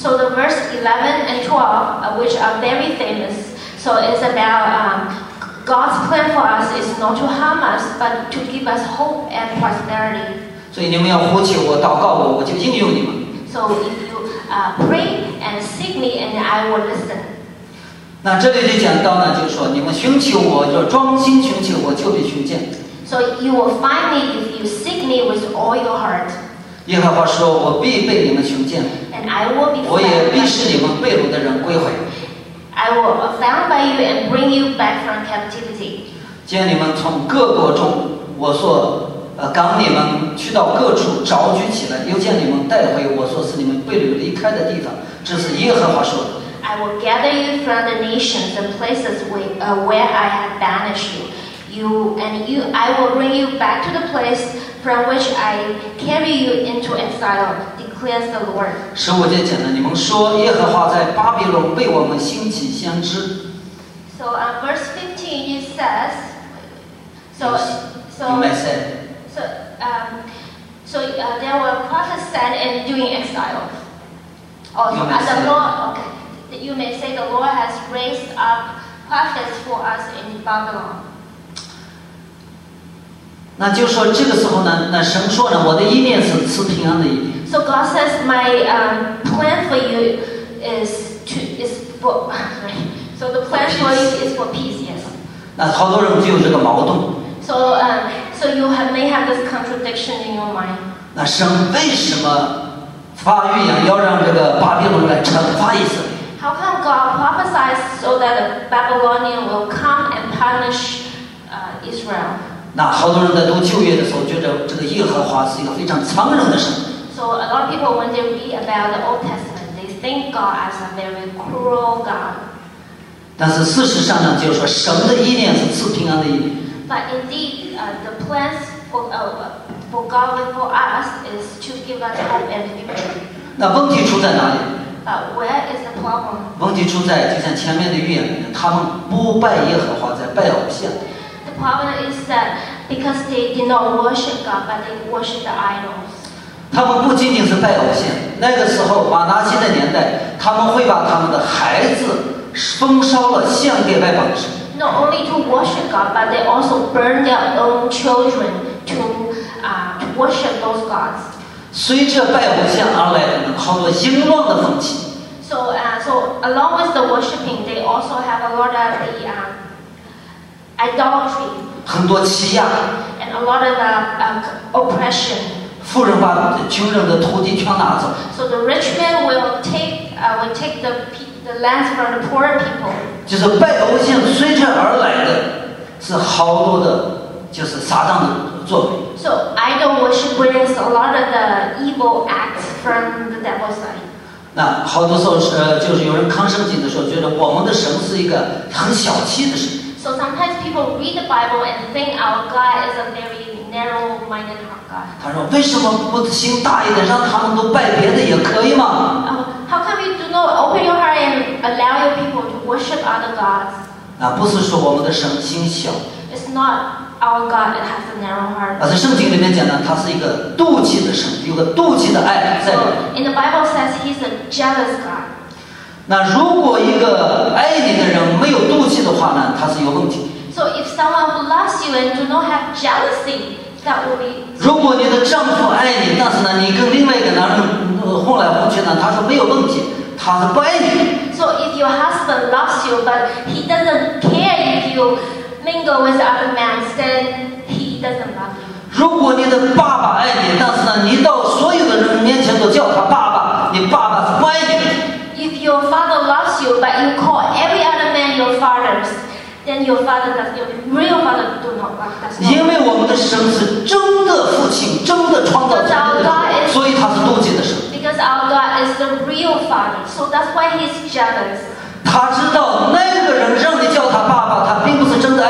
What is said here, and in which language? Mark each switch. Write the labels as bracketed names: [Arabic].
[English] So the verse 11 and 12, which are very famous, so it's about God's plan for us is not to harm us, but to give us hope and prosperity. [Chinese] 所以你们要呼求我、祷告我，我就应允你们。 [English] So pray and seek me, and I will listen. [Chinese] 那这里就讲到呢，就是说你们寻求我，要专心寻求我，就必寻见。 [English] So you will find me if you seek me with all your heart. [Chinese] 耶和华说，我必被你们寻见。 [English] And I will be found. [Chinese] 我也必使你们被掳的人归回。 [English] I will be found by you and bring you back from captivity. [Chinese] 见你们从各国中，我所赶你们去到各处找聚起来，又将你们带回我说是你们被掳离开的地方，这是耶和华说的。 [English] I will gather you from the nations and places where I have banished you. I will bring you back to the place from which I carry you into exile, declares the Lord. [Chinese] 十五节讲的，你们说耶和华在巴比伦为我们兴起先知。 [English] So verse 15 it says, there were prophets sent and during exile. You may say the Lord has raised up prophets for us in Babylon. [Chinese] 那就说这个时候呢，那神说呢，我的意念是赐平安的意念。 [English] So God says my plan for you is for peace. Yes. [Chinese] 那好多人就有这个矛盾。 [English] So you may have this contradiction in your mind. [Chinese] 那神为什么发预言要让这个巴比伦来惩罚以色列？ [English] How come God prophesies so that Babylonian will come and punish Israel? [Chinese] 那好多人在读旧约的时候觉得这个耶和华是一个非常苍凉的神。 [English] So a lot of people when they read about the Old Testament, they think God as a very cruel God. [Chinese] 但是事实上呢，就是说神的意念是赐平安的意念。 [English] But indeed, the plans for God and for us is to give us hope and victory. [Chinese] 那问题出在哪里？ [English] Where is the problem? [Chinese] 问题出在就像前面的预言里面，他们不拜耶和华，在拜偶像。 [English] The problem is that because they did not worship God, but they worship the idols. [Chinese] 他们不仅仅是拜偶像，那个时候马拿西的年代，他们会把他们的孩子焚烧了献给拜偶像。 [English] Not only to worship God, but they also burn their own children to worship those gods. [Chinese] 随着拜偶像而来的好多淫乱的风气。 [English] So along with the worshiping, they also have a lot of the idolatry. [Chinese] 很多欺压。 [English] And a lot of the oppression. [Chinese] 富人把穷人的土地全拿走。 [English] So the rich man will take the lands from the poorer people. [Chinese] 就是拜偶像随着而来的是好多的，就是撒旦的作为。 [English] So idol worship brings a lot of the evil acts from the devil's side. [Chinese] 那好多时候是就是有人康圣经的时候觉得我们的神是一个很小气的神。 [English] So sometimes people read the Bible and think our God is a very narrow-minded God. [Chinese] 他说为什么不行大一点，让他们都拜别的也可以吗？ [English] How come you do not open your heart and allow your people to worship other gods? [Chinese] 那不是说我们的神心小。 [English] It's not. Our God it has a narrow heart. [Chinese] 而在圣经里面讲呢，他是一个妒忌的神，有个妒忌的爱在。 [English] So in the Bible says he's a jealous God. [Chinese] 那如果一个爱你的人没有妒忌的话呢，他是有问题。 [English] So if someone who loves you and do not have jealousy, that will be. [Chinese] 如果你的丈夫爱你，但是呢，你跟另外一个男人混来混去呢，他说没有问题，他是不爱你。 [English] So if your husband loves you, but he doesn't care if you. Mingle with other men, then he doesn't love you. [Chinese] 如果你的爸爸爱你，但是呢，你到所有的人面前都叫他爸爸，你爸爸是不爱你。 [English] If your father loves you, but you call every other man your fathers, then your father does your real father do not love. [Chinese] 因为我们的神是真的父亲，真的创造主的神，所以他是妒忌的神。 [English] Because our God is the real father, so that's why he's jealous. [Chinese] 他知道那个人让你叫他爸爸，他并不是。